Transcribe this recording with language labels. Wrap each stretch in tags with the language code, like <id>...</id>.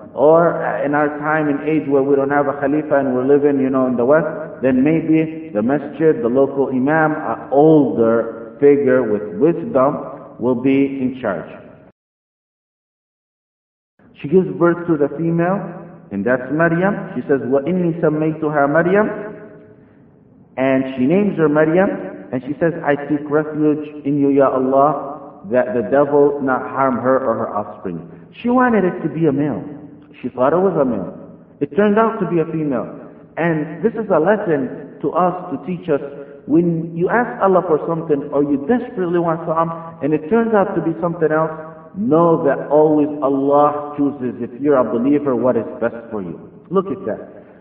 <en>Or in our time and age where we don't have a khalifa and we're living, you know, in the West, then maybe the masjid, the local imam, an older figure with wisdom, will be in charge. She gives birth to the female. And that's Maryam. She says,</en> <ar>وَإِنِّي سَمَّيْتُهَا مَرْيَمْ.</ar> <en>And she names her Maryam. And she says, I seek refuge in you, Ya Allah, that the devil not harm her or her offspring. She wanted it to be a male. She thought it was a male. It turned out to be a female. And this is a lesson to us, to teach us, when you ask Allah for something, or you desperately want something, and it turns out to be something else, know that always Allah chooses, if you're a believer, what is best for you. Look at that.</en>